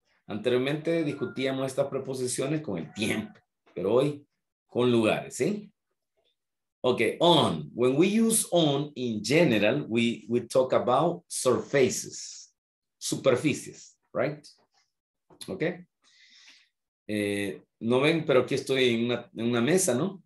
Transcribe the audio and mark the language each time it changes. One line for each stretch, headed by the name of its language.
Spanish: Anteriormente discutíamos estas preposiciones con el tiempo, pero hoy con lugares, ¿sí?
English: Okay, on. When we use on in general, we talk about surfaces,
Spanish: superficies,
English: right? Okay.
Spanish: No ven, pero aquí estoy en una mesa, ¿no?